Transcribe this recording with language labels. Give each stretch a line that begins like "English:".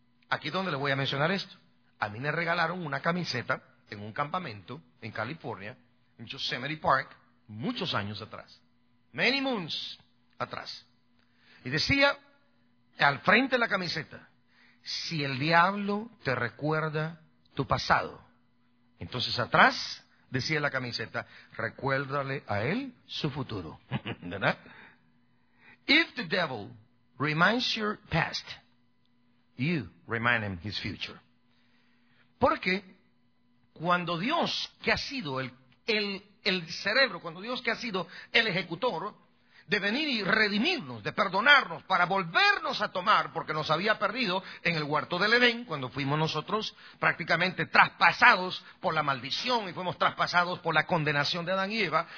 Spanish: Aquí es donde le voy a mencionar esto. A mí me regalaron una camiseta en un campamento en California, en Yosemite Park, muchos años atrás,
English: many moons
Spanish: atrás. Y decía, al frente de la camiseta, si el diablo te recuerda tu pasado, entonces atrás decía la camiseta, recuérdale a él su futuro. ¿Verdad?
English: If the devil reminds your past, you remind him his future.
Spanish: Porque cuando Dios, que ha sido el cerebro, cuando Dios, que ha sido el ejecutor, de venir y redimirnos, de perdonarnos, para volvernos a tomar, porque nos había perdido en el huerto del Edén, cuando fuimos nosotros prácticamente traspasados por la maldición y fuimos traspasados por la condenación de Adán y Eva.